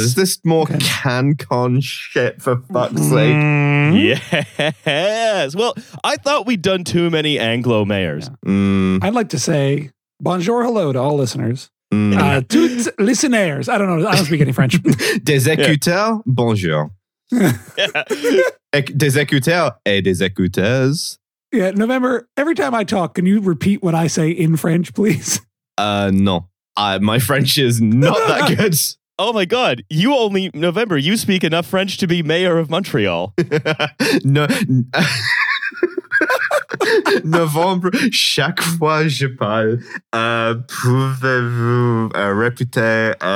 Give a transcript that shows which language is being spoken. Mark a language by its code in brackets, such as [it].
[en] Is this more CanCon shit, for fuck's sake? Yes! Well, I thought we'd done too many Anglo mayors. Yeah. Mm. I'd like to say bonjour, hello to all listeners. Mm. Toutes listeners. I don't know, I don't speak any French. [fr] Des écouteurs, bonjour. Des écouteurs et des écouteurs. [en] Yeah, November, every time I talk, can you repeat what I say in French, please? No. My French is not that good. Oh my God. You only, November, you speak enough French to be mayor of Montreal. No. [fr] November, chaque fois je parle, pouvez-vous répéter?